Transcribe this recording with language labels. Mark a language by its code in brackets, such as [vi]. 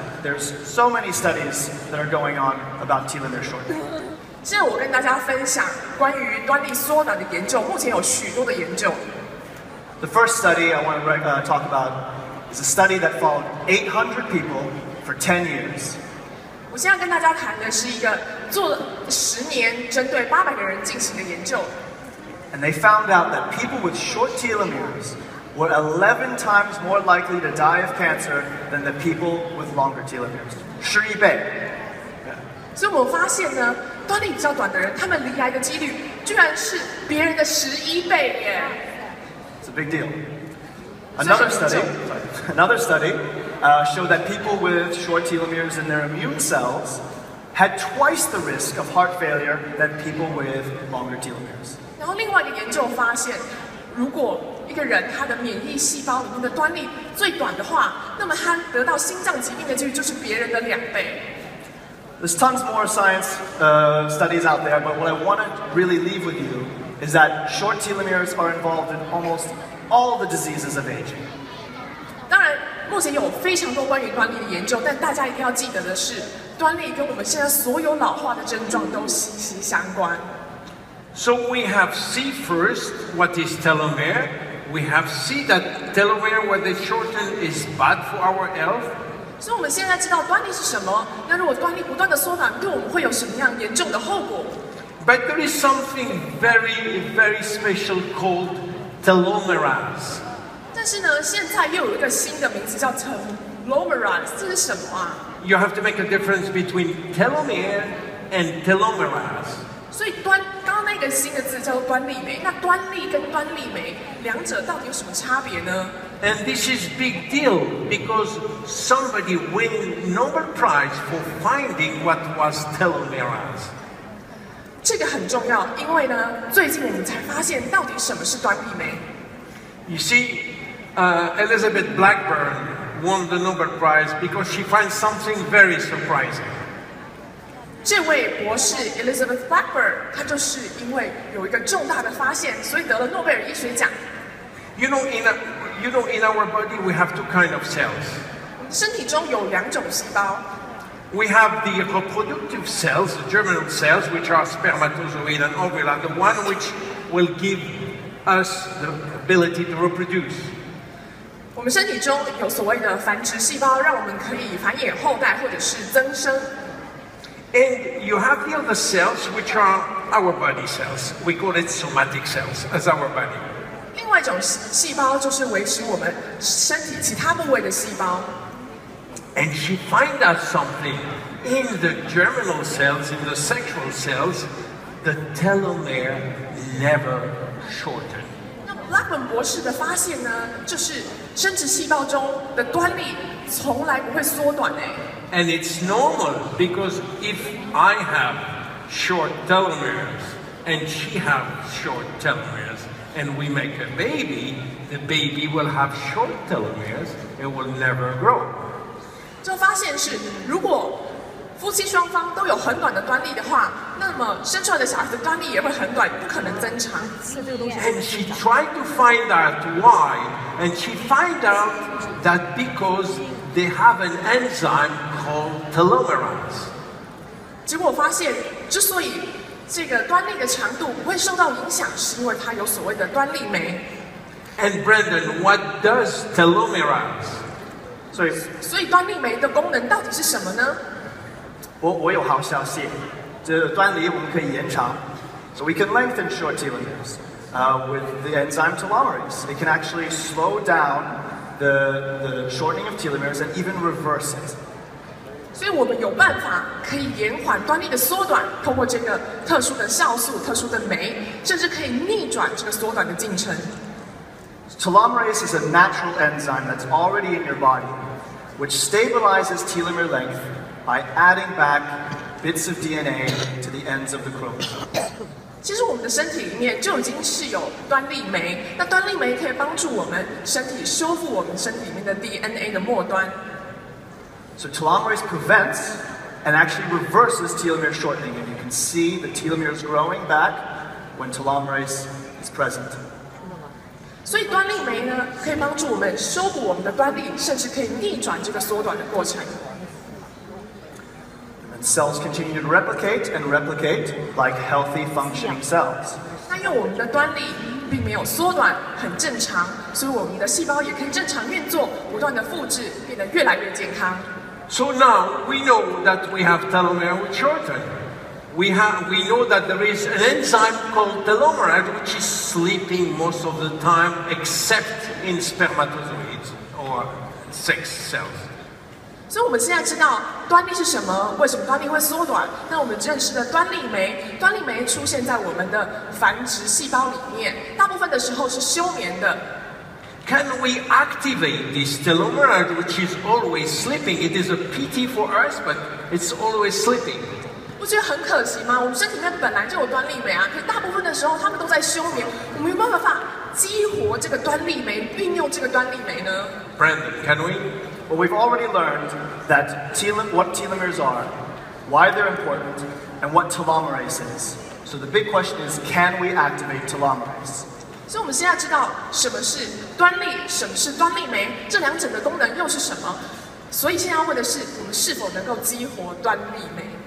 [en] There's so many studies that are going on about telomere shortening. [zh] 现在我跟大家分享关于端粒缩短的研究，目前有许多的研究。 [en] The first study I want to talk about is a study that followed 800 people for 10 years. [zh] 我现在跟大家谈的是一个做了十年，针对800个人进行的研究。 [en] And they found out that people with short telomeres were 11 times more likely to die of cancer than the people with longer telomeres. [zh] 十一倍。所以我发现呢，端粒比较短的人，他们罹癌的几率居然是别人的十一倍耶。 [en] It's a big deal. Another study, showed that people with short telomeres in their immune cells had twice the risk of heart failure than people with longer telomeres. [zh] 然后另外一个研究发现，如果一个人他的免疫细胞里面的端粒最短的话，那么他得到心脏疾病的几率就是别人的两倍。 [en] There's tons more science studies out there, but what I want to really leave with you is that short telomeres are involved in almost all the diseases of aging. [zh] 当然，目前有非常多关于端粒的研究，但大家一定要记得的是，端粒跟我们现在所有老化的症状都息息相关。 [en] So we have see first what is telomere. We have see that telomere, when they shorten, is bad for our health. [zh] 所以我们现在知道端粒是什么，那如果端粒不断的缩短，对我们会有什么样严重的后果？ [en] But there is something very, very special called telomerase. [zh] 但是呢，现在又有一个新的名字叫 telomerase， 这是什么啊？ [en] You have to make a difference between telomere and telomerase. [zh] 所以端刚刚那个新的字叫端粒酶，那端粒跟端粒酶两者到底有什么差别呢？ [en] And this is big deal because somebody win Nobel Prize for finding what was telomeres。 [zh] 这个很重要，因为呢，最近我们才发现到底什么是端粒酶。 [en] You see, Elizabeth Blackburn won the Nobel Prize because she found something very surprising. [zh] 这位博士 Elizabeth Blackburn, 她就是因为有一个重大的发现，所以得了诺贝尔医学奖。 [en] You know, in our body, we have two kinds of cells. [zh] 身体中有两种细胞。 [en] We have the reproductive cells, the germinal cells, which are spermatozoid and ovule, the one which will give us the ability to reproduce. [zh] 我们身体中有所谓的繁殖细胞，让我们可以繁衍后代或者是增生。 [en] And you have the other cells, which are our body cells. We call it somatic cells, as our body. [zh] 另外一种细胞就是维持我们身体其他部位的细胞。 [en] And she find out something in the germinal cells, in the sexual cells, the telomere never shorten. [zh] 那 Blackburn 博士的发现呢，就是生殖细胞中的端粒从来不会缩短哎。 [en] And it's normal because if I have short telomeres and she have short telomeres and we make a baby, the baby will have short telomeres and will never grow. [zh] 就发现是，如果夫妻双方都有很短的端粒的话，那么生出来的小孩子端粒也会很短，不可能增长。 [en] And she tried to find out why, and she find out that because they have an enzyme called telomerase. [zh] 结果发现，之所以这个端粒的长度不会受到影响，是因为它有所谓的端粒酶。 [en] And Brendan, what does telomerase? [zh] 所以端粒酶的功能到底是什么呢？我有好消息，这端粒我们可以延长。 [en] So we can lengthen short telomeres, with the enzyme telomerase. It can actually slow down the shortening of telomeres and even reverse it. [zh] 所以我们有办法可以延缓端粒的缩短，通过这个特殊的酵素、特殊的酶，甚至可以逆转这个缩短的进程。 [en] Telomerase is a natural enzyme that's already in your body, which stabilizes telomere length by adding back bits of DNA to the ends of the chromosome. [zh] 其实我们的身体里面就已经是有端粒酶，那端粒酶可以帮助我们身体修复我们身体里面的 DNA 的末端。 [en] So telomerase prevents and actually reverses telomere shortening, and you can see the telomeres growing back when telomerase is present. [zh] 所以端粒酶呢，可以帮助我们修补我们的端粒，甚至可以逆转这个缩短的过程。 [en] And cells continue to replicate and replicate like healthy functioning cells. [zh] 那因为我们的端粒并没有缩短，很正常，所以我们的细胞也可以正常运作，不断的复制，变得越来越健康。 [en] So now we know that we have telomere shorten. We know that there is an enzyme called telomerase which is sleeping most of the time, except in spermatozoids or sex cells. So we now know [zh] 端粒是什么，为什么端粒会缩短？那我们认识的端粒酶，端粒酶出现在我们的繁殖细胞里面，大部分的时候是休眠的。 [en] Can we activate this telomerase which is always sleeping? It is a pity for us, but it's always sleeping. [zh] 不觉得很可惜吗？我们身体里面本来就有端粒酶啊，可是大部分的时候他们都在休眠，我们有办法激活这个端粒酶，运用这个端粒酶呢 [en] ？Brendan, can we? Well, we've already learned that what telomeres are, why they're important, and what telomerase is. So the big question is, can we activate telomerase? [zh] 所以我们现在知道什么是端粒，什么是端粒酶，这两者的功能又是什么？所以现在要问的是，我们是否能够激活端粒酶？